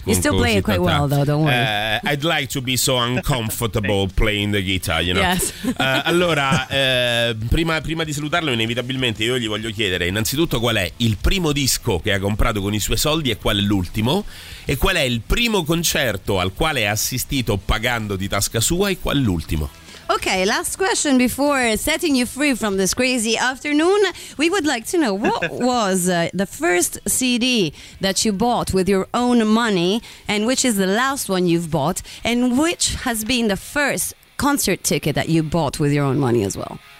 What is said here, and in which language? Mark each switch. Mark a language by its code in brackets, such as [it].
[en] you still play quite well though, don't worry. I'd like to be so uncomfortable playing the guitar, you know. Yes. [it] Allora, prima di salutarlo, inevitabilmente io gli voglio chiedere innanzitutto qual è il primo disco che ha comprato con i suoi soldi e qual è l'ultimo, e qual è il primo concerto al quale ha assistito pagando di tasca sua e qual è l'ultimo. [en] Okay, last question before setting you free from this crazy afternoon. We would like to know, what was the first CD that you bought with your own money, and which is the last one you've bought, and which has been the first concert ticket that you bought with your own money as well?